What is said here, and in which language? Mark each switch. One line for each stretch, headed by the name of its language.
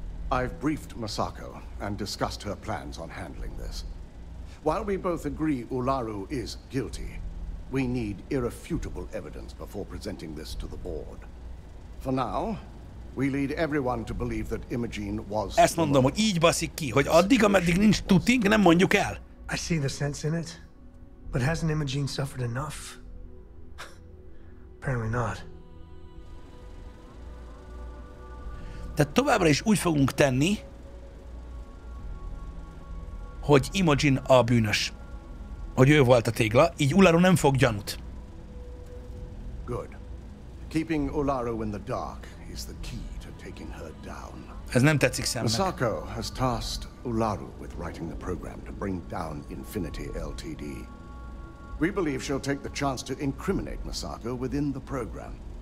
English: I've briefed Masako and discussed her plans on handling this. While we both agree Ularu is guilty, we need irrefutable evidence before presenting this to the board. For now, we lead everyone to believe that Imogene was...
Hungarian: Ezt mondom, hogy így baszik ki, hogy addig, ameddig nincs tuting, nem mondjuk el.
English: I see the sense in it, but hasn't Imogene suffered enough? Apparently not.
Hungarian: Tehát továbbra is úgy fogunk tenni, hogy Imogene a bűnös. Hogy ő volt a tégla, így Ularu nem fog gyanút.
English: Good. Keeping Ularu in the dark is the key to taking her down.
Hungarian: Ez nem tetszik Samnek.
English: Masako has tasked Ularu with writing the program to bring down Infinity LTD. We believe she'll take the chance to incriminate Masako within the program.